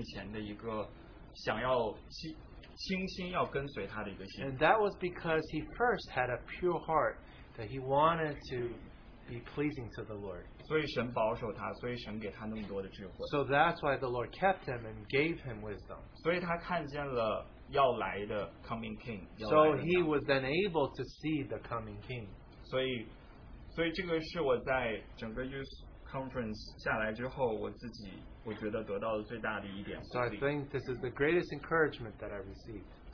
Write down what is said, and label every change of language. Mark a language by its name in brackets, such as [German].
[Chinese] 因为他是首先有那样的一个在神面前的一个想要。 [English] And that was because he first had a pure heart that he wanted to be pleasing to the Lord. [Chinese] 所以神保守他，所以神给他那么多的智慧。So [English] that's why the Lord kept him and gave him wisdom. [Chinese] 所以他看见了要来的 [English] coming king. So he was then able to see the coming king. [Chinese] 所以这个是我在整个 youth conference 下来之后，我自己。 [English] So I think this is the greatest encouragement that I received.